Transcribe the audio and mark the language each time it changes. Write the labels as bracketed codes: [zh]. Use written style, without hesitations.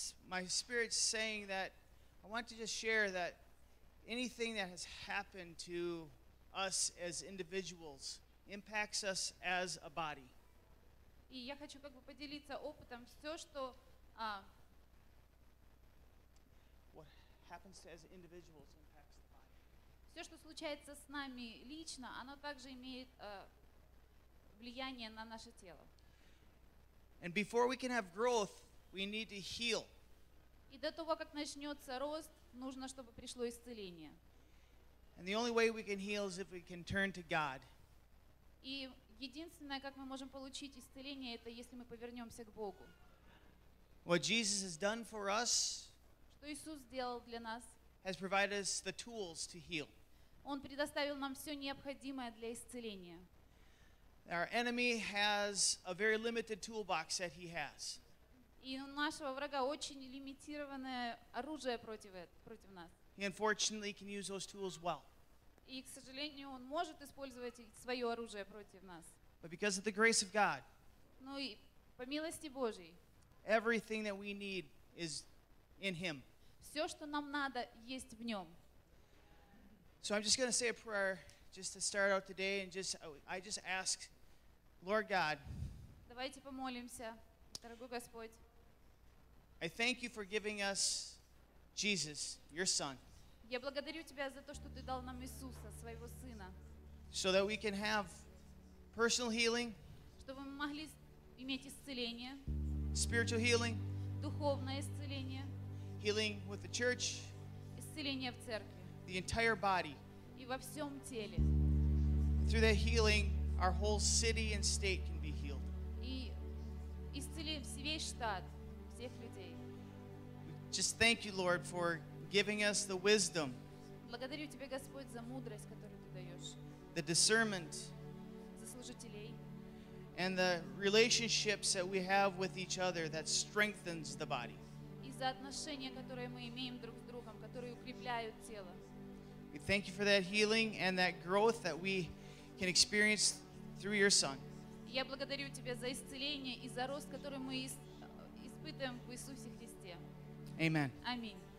[en] My spirit's saying that I want to just share that anything that has happened to us as individuals impacts us as a body. [ru] И я хочу как бы поделиться опытом все, что [en] what happens to us as individuals. [ru] Все, что случается с нами лично, оно также имеет влияние на наше тело. [en] And before we can have growth, we need to heal. [ru] И до того, как начнется рост, нужно, чтобы пришло исцеление. [en] And the only way we can heal is if we can turn to God. [ru] И единственное, как мы можем получить исцеление, это если мы повернемся к Богу. [en] What Jesus has done for us, [ru] что Иисус сделал для нас, [en] has provided us the tools to heal. [ru] Он предоставил нам все необходимое для исцеления. [en] Our enemy has a very limited toolbox that he has. [ru] И у нашего врага очень лимитированное оружие против нас. [en] He unfortunately can use those tools well. [ru] И, к сожалению, он может использовать свое оружие против нас. [en] But because of the grace of God, [ru] ну и по милости Божьей, [en] everything that we need is in him. [ru] Все, что нам надо, есть в нем. [en] So I'm just going to say a prayer just to start out today, and I just ask, Lord God, [ru] давайте помолимся, дорогой Господь. [en] I thank you for giving us Jesus, your Son. [ru] Я благодарю тебя за то, что ты дал нам Иисуса, своего сына. [en] So that we can have personal healing. [ru] Чтобы мы могли иметь исцеление. [en] Spiritual healing. [ru] Духовное исцеление. [en] Healing with the church. [ru] Исцеление в церкви. [en] The entire body. [ru] И во всем теле. [en] Through that healing, our whole city and state can be healed. [ru] И исцелим весь штат, всех людей. [en] Just thank you, Lord, for giving us the wisdom. [ru] Благодарю тебя, Господь, за мудрость, которую ты даешь. [en] The discernment. [ru] За служителей. [en] And the relationships that we have with each other that strengthens the body. [ru] И за отношения, которые мы имеем друг с другом, которые укрепляют тело. [en] We thank you for that healing and that growth that we can experience through your Son. [ru] Я благодарю тебя за исцеление и за рост, который мы испытываем в Иисусе Христе. [en] Amen. [ru] Аминь.